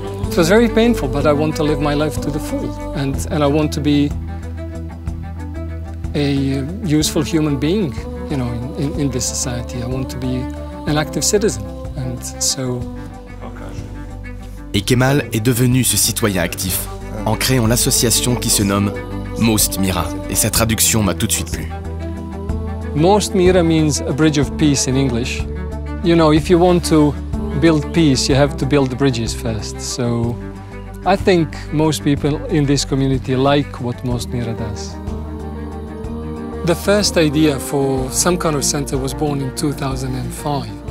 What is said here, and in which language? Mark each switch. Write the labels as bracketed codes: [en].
[en] It was very painful, but I want to live my life to the full. And I want to be a useful human being, you know, in this society. I want to be an active citizen. And so... [fr] Et Kemal est devenu ce citoyen actif en créant l'association qui se nomme Most Mira. Et sa traduction m'a tout de suite plu. [en] Most Mira means a bridge of peace in English. You know, if you want to build peace, you have to build the bridges first. So I think most people in this community like what Most Mira does. The first idea for some kind of center was born in 2005.